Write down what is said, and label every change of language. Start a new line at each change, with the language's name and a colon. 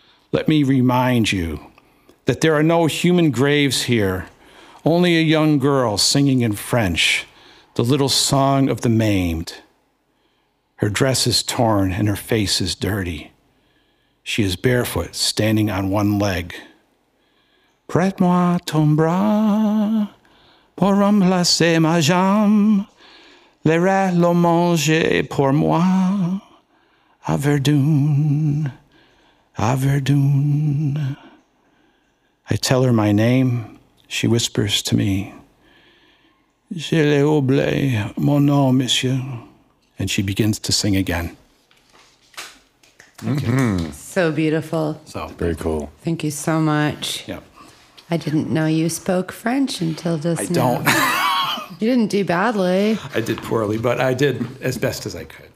English: Let me remind you that there are no human graves here, only a young girl singing in French, the little song of the maimed. Her dress is torn and her face is dirty. She is barefoot, standing on one leg.
French: Prête-moi ton bras pour remplacer ma jambe. Le rat le mange pour moi, à Verdun, à Verdun.
English: I tell her my name, she whispers to me.
French: Je l'ai oublié, mon nom, monsieur.
English: And she begins to sing again. Mm-hmm. So beautiful. So very cool. Thank you so much. Yep. I didn't know you spoke French until just now. I don't. You didn't do badly. I did poorly, but I did as best as I could.